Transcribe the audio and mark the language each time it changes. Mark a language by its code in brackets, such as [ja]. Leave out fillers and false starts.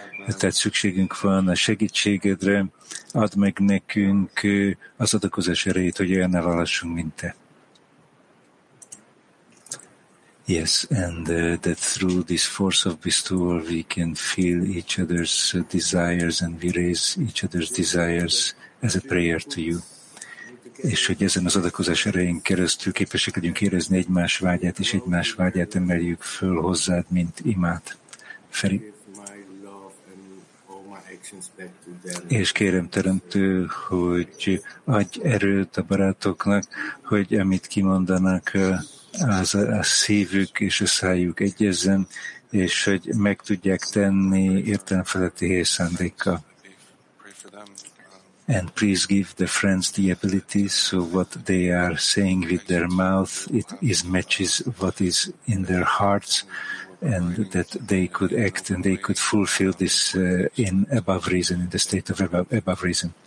[hu] Tehát szükségünk van a segítségedre, add meg nekünk az adakozás erejét, hogy olyanná válassunk, mint te. [en] Yes, and that through this force of bestowal we can feel each other's desires and we raise each other's desires as a prayer to you. [hu] és hogy ezen az adakozás erején keresztül képesek legyünk érezni egymás vágyát, és egymás vágyát emeljük föl hozzád, mint imád. Feri. És kérem, Teremtő, hogy adj erőt a barátoknak, hogy amit kimondanak, az a szívük és a szájuk egyezzen, és hogy meg tudják tenni értelemfeletti helyszándékkal. [en] And please give the friends the ability so what they are saying with their mouth, it is matches what is in their hearts, and that they could act and they could fulfill this in above reason, in the state of above reason.